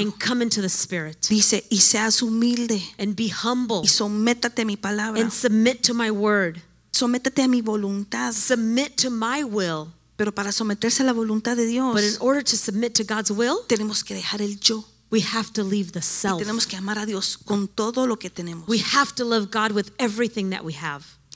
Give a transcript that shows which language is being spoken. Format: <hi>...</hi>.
<en>And come into the spirit.</en> <es>Dice y seas humilde.</es> <en>And be humble.</en> <es>Y sométate a mi palabra.</es> <en>And submit to my word.</en> <es>Sométate a mi voluntad.</es> <en>Submit to my will.</en> <es>Pero para someterse a la voluntad de Dios,</es> <en>but in order to submit to God's will,</en> <es>tenemos que dejar el yo.</es> <en>We have to leave the self.</en> <es>Y tenemos que amar a Dios con todo lo que tenemos.</es> <en>We have to love God with everything that we have.</en>